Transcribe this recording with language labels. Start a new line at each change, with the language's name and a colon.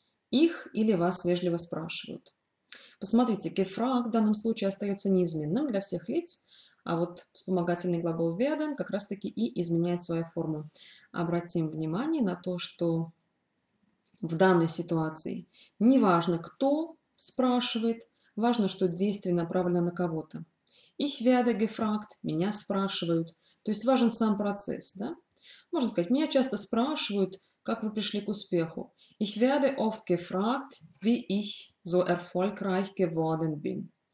Russian: Их или вас вежливо спрашивают. Посмотрите, gefragt в данном случае остается неизменным для всех лиц, а вот вспомогательный глагол werden как раз-таки и изменяет свою форму. Обратим внимание на то, что в данной ситуации неважно, кто спрашивает, важно, что действие направлено на кого-то.
German: Ich werde gefragt,
Russian: меня спрашивают. То есть важен сам процесс, да? Можно сказать, меня часто спрашивают, как вы пришли к успеху.
German: Ich werde oft gefragt, wie ich so erfolgreich geworden bin.